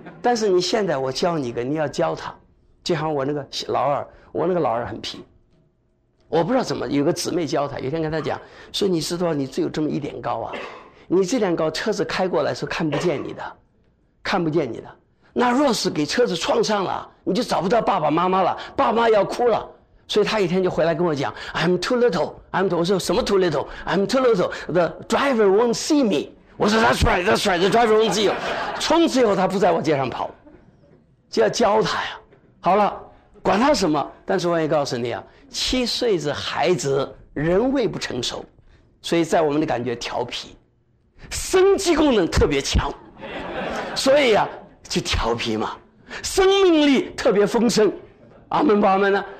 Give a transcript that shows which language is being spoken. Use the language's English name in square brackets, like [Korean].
[Chinese] 但是你现在我教你一个，你要教他，就像我那个老二，我那个老二很皮，我不知道怎么，有个姊妹教他，有天跟他讲说，你知道你只有这么一点高啊，你这点高车子开过来是看不见你的，看不见你的，那若是给车子撞上了，你就找不到爸爸妈妈了，爸妈要哭了。所以他一天就回来跟我讲 [English] I'm too little, [Chinese] 我说什么 too little？ [English] I'm too little, the driver won't see me。 [Chinese] 我说 [English] that's right, the driver won't see you。 [Chinese] 从此以后他不在我街上跑，就要教他呀。好了，管他什么，但是我也告诉你啊，七岁的孩子人未不成熟，所以在我们的感觉调皮，生机功能特别强，所以啊就调皮嘛，生命力特别丰盛。阿们吧，阿们呢？